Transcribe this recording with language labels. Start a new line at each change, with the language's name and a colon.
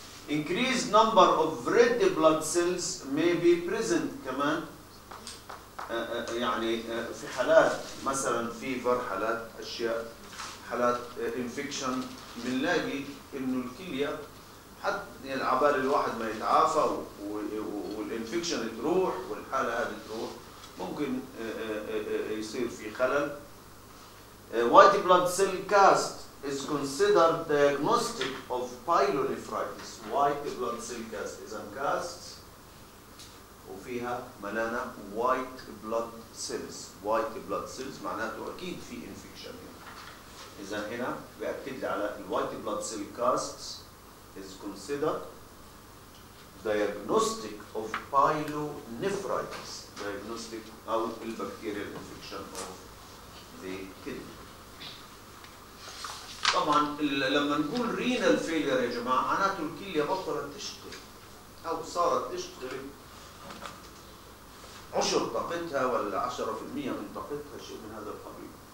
English: Increased number of red blood cells may be present
Arabic: كمان يعني في حالات مثلا فيفر حالات اشياء حالات انفكشن بنلاقي انه الكليه حتى العبال الواحد ما يتعافى والانفكشن تروح والحاله هذه تروح ممكن يصير في خلل.
English: White blood cell cast is considered diagnostic of pyelonephritis. White blood cell cast is a cast
Arabic: وفيها ملانة
English: white blood cells. White blood cells
Arabic: معناته أكيد في
English: infection.
Arabic: إذا هنا بأكد على
English: white blood cell cast is considered diagnostic of pyelonephritis.
Arabic: Diagnostic أو البكتيريال انفكشن أو ذي كده. طبعا لما نقول رينال فيلير يا جماعة معناته الكلية بطلت تشتغل أو صارت تشتغل عشر طاقتها ولا 10% من طاقتها شيء من هذا القبيل.